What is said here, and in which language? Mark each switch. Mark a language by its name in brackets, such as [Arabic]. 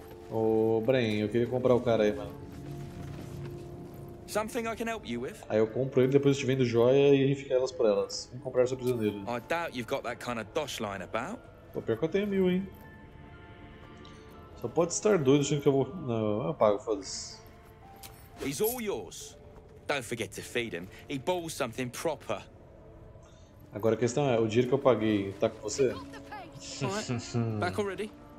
[Portuguese] Ô, Brem, eu queria comprar o cara aí, mano. [English] Something I can help you with? [Portuguese] Aí eu compro ele, depois eu te vendo joia e fica elas por elas. Vim comprar seu prisioneiro. [English] I doubt you've got that kind of dosh line about. [Portuguese] Pô, pior que eu tenho mil, hein? Só pode estar doido achando que eu vou... Não, eu pago, foda-se. [English] He's all yours. Don't forget to feed him. He bought something proper. [Portuguese] Agora a questão é, o dinheiro que eu paguei tá com você? [English] Back already?